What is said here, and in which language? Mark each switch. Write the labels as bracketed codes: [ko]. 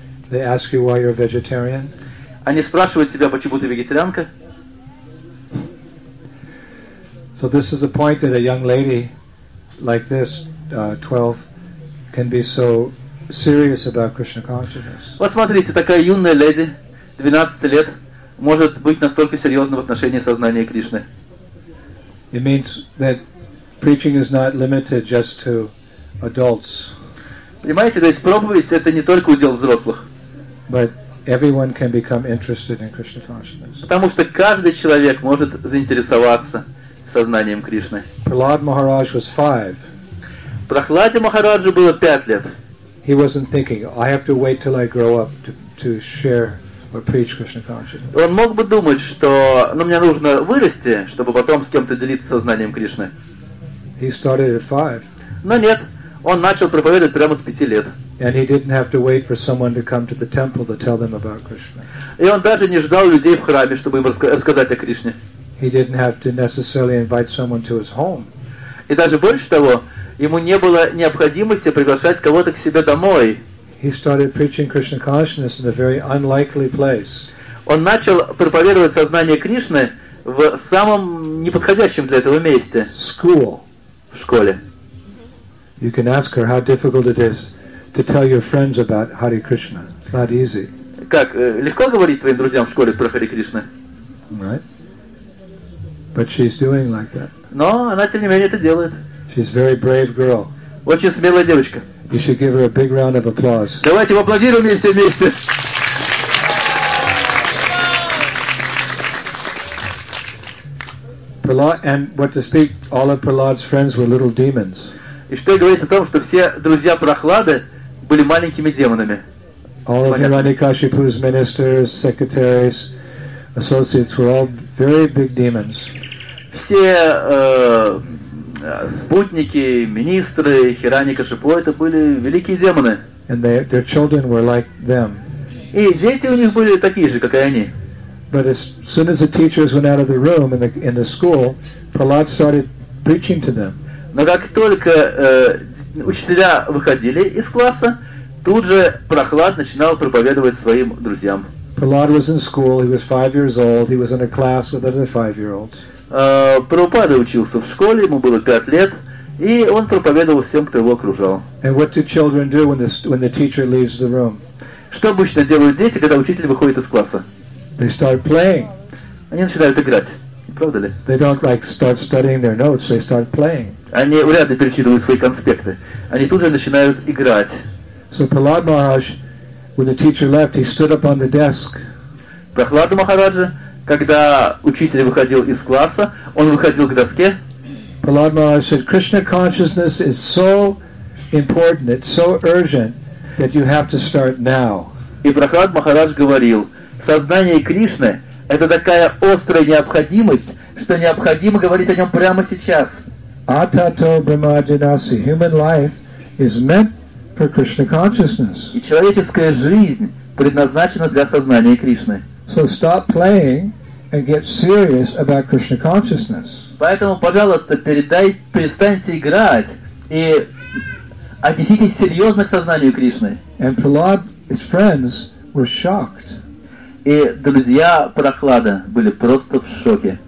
[en] They ask you why you're vegetarian? [ru] Они спрашивают тебя, почему ты вегетарианка? [en] So this is a point that a young lady like this, 12, can be so serious about Krishna consciousness. [ru] Вот смотрите, такая юная леди, 12 лет, может быть настолько серьезна в отношении сознания Кришны. [en] It means that preaching is not limited just to adults. [ru] Понимаете, то есть проповедь это не только удел взрослых. [en] But everyone can become interested in Krishna consciousness. [ru] Потому что каждый человек может заинтересоваться сознанием Кришны. [en] Prahlad Maharaj was 5. [ru] Прохладе Махараджу было 5 лет. [en] He wasn't thinking, I have to wait till I grow up to share. Or preach Krishna consciousness. [ru] Он мог бы думать, что ну, мне нужно вырасти, чтобы потом с кем-то делиться сознанием Кришны. [en] He started at 5. [ru] Но нет, он начал проповедовать прямо с 5 лет. [en] And he didn't have to wait for someone to come to the temple to tell them about Krishna. [ru] И он даже не ждал людей в храме, чтобы им рассказать о Кришне. [en] He didn't have to necessarily invite someone to his home. [ru] И даже больше того, ему не было необходимости приглашать кого-то к себе домой. [en] He started preaching Krishna consciousness in a very unlikely place. [ru] Он начал проповедовать сознание Кришны в самом неподходящем для этого месте. [en] School. [ru] В школе. [en] You can ask her how difficult it is to tell your friends about Hare Krishna. It's not easy. [ru] Как легко говорить твоим друзьям в школе про Харе Кришна? [en] Right. But she's doing like that. [ru] Но она тем не менее это делает. [en] She's a very brave girl. [ru] Очень смелая девочка. [en] You should give her a big round of applause. [ru] Давайте поаплодируем ей все вместе. [en] Prahlad, and what to speak, all of Prahlad's friends were little demons. [ru] И что говорить о том, что все друзья Прохлады были маленькими демонами. [en] All of Hiranyakashipu's ministers, secretaries, associates were all very big demons. [ru] Все спутники, министры, Хираньякашипу, это были великие демоны. [en] And they, their children were like them. [ru] И дети у них были такие же, как и они. [en] But as soon as the teachers went out of the room in the school, Prahlad started preaching to them. [ru] Но как только учителя выходили из класса, тут же Прохлад начинал проповедовать своим друзьям. [en] Prahlad was in school. He was 5 years old. He was in a class with other 5-year-olds. [ru] Прабхупада учился в школе, ему было 5 лет, И он проповедовал всем, кто его окружал. [en] And what do children do when the teacher leaves the room? [ru] Что обычно делают дети, когда учитель выходит из класса? [en] They start playing. [ru] Они начинают играть, правда ли? [en] They don't like start studying their notes. They start playing. [ru] Они урядно перечитывают свои конспекты. Они тут же начинают играть. [en] So Prahlad Maharaj, when the teacher left, he stood up on the desk. [ru] Прохлад Махараджа, когда учитель выходил из класса, он выходил к доске. [en] Prahlad Maharaj said, Krishna consciousness is so important, it's so urgent, that you have to start now. [ru] И Прохлад Махарадж говорил, сознание Кришны — это такая острая необходимость, что необходимо говорить о нем прямо сейчас. [sa] Атато брахмаджанаси, [en] human life is meant for Krishna consciousness. [ru] И человеческая жизнь предназначена для сознания Кришны. [en] So stop playing and get serious about Krishna consciousness. [ru] Поэтому, пожалуйста, перестаньте играть и отнеситесь серьезно к сознанию Кришны. [en] And Prahlad's friends were shocked. [ru] И друзья Прохлада были просто в шоке.